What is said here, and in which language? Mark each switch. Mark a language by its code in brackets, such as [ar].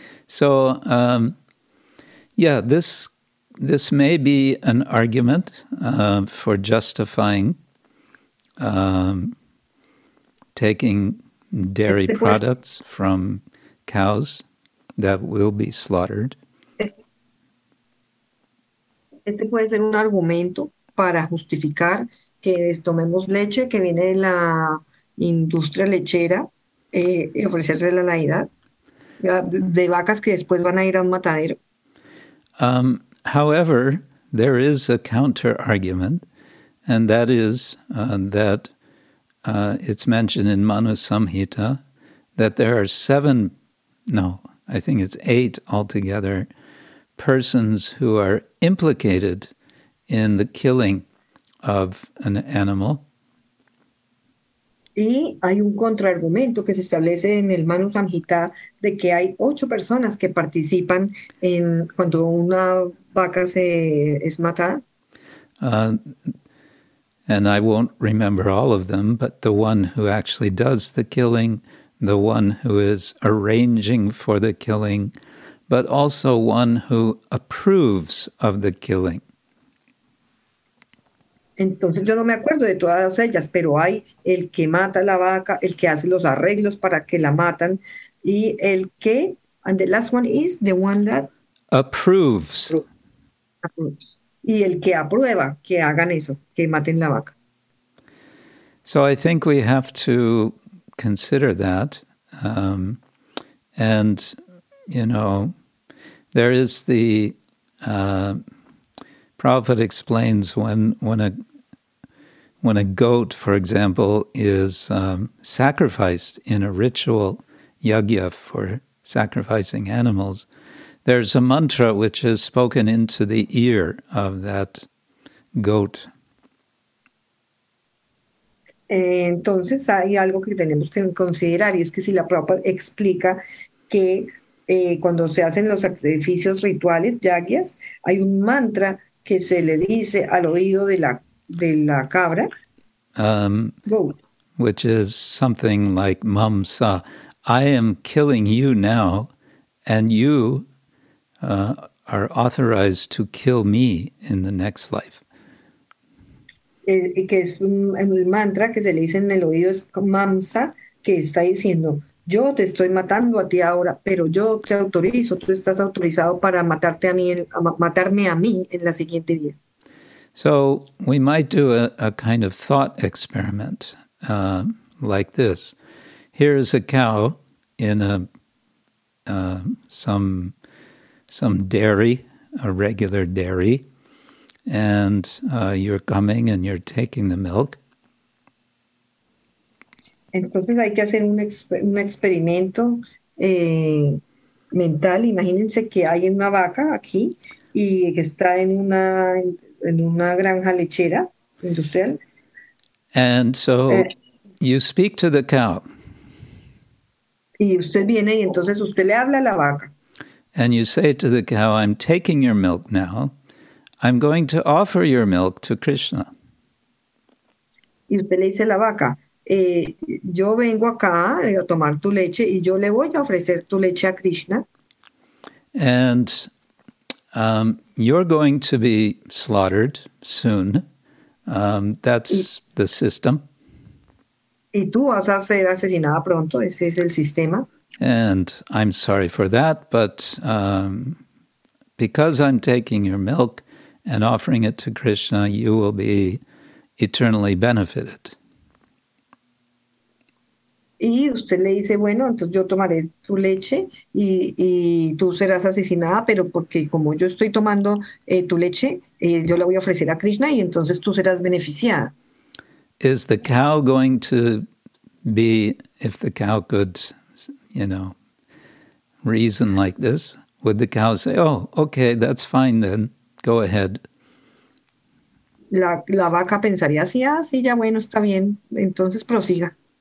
[en] Yeah, this may be an argument for justifying taking dairy products from cows that will be slaughtered. [es] Este puede ser un argumento para justificar que tomemos leche que viene de la industria lechera y ofrecérsela a la deidad de vacas que después van a ir a un matadero. [en] However, there is a counter-argument, and that is it's mentioned in Manu Samhita that there are eight altogether persons who are implicated in the killing of an animal. [es] Y hay un contraargumento que se establece en el Manu Samhita de que hay ocho personas que participan en cuando una vaca se es matada. [en] And I won't remember all of them, but the one who actually does the killing, the one who is arranging for the killing, but also one who approves of the killing. [es] Entonces yo no me acuerdo de todas ellas, pero hay el que mata la vaca, el que hace los arreglos para que la matan, y el que, [en] and the last one is the one that approves. Approves. [es] Y el que aprueba que hagan eso, que maten la vaca. [en] So I think we have to consider that. And, you know, there is the, Prabhupada explains when a goat, for example, is sacrificed in a ritual yagya for sacrificing animals, There's a mantra which is spoken into the ear of that goat. [es] Entonces hay algo que tenemos que considerar, y es que si la Prabhupada explica que cuando se hacen los sacrificios rituales, yagyas, hay un mantra que se le dice al oído de la cabra, [en] goat. Which is something like mamsa. I am killing you now, and you are authorized to kill me in the next life. [es] Que es el mantra que se le dice en el oído, es mamsa, que está diciendo, yo te estoy matando a ti ahora, pero yo te autorizo, tú estás autorizado para matarte a mí, a matarme a mí en la siguiente vida. [en] So we might do a kind of thought experiment like this. Here is a cow in a some dairy, a regular dairy, and you're coming and you're taking the milk. [es] Entonces hay que hacer un experimento mental. Imagínense que hay una vaca aquí y que está en una granja lechera industrial. [en] And so you speak to the cow. [es] Y usted viene y entonces usted le habla a la vaca. [en] And you say to the cow, I'm taking your milk now. I'm going to offer your milk to Krishna. [es] Y usted le dice a la vaca, yo vengo acá a tomar tu leche y yo le voy a ofrecer tu leche a Krishna. [en] And you're going to be slaughtered soon. That's the system. [es] Y tú vas a ser asesinada pronto, ese es el sistema. [en] And I'm sorry for that, but because I'm taking your milk and offering it to Krishna, you will be eternally benefited. [es] Y usted le dice, bueno, entonces yo tomaré tu leche y tú serás asesinada, pero porque como yo estoy tomando tu leche, yo la voy a ofrecer a Krishna y entonces tú serás beneficiada. [en] Is the cow going to be, if the cow could, you know, reason like this, would the cow say, oh, okay, that's fine then, go ahead? [es] La vaca pensaría así, ah, sí, ya bueno, está bien, entonces prosiga.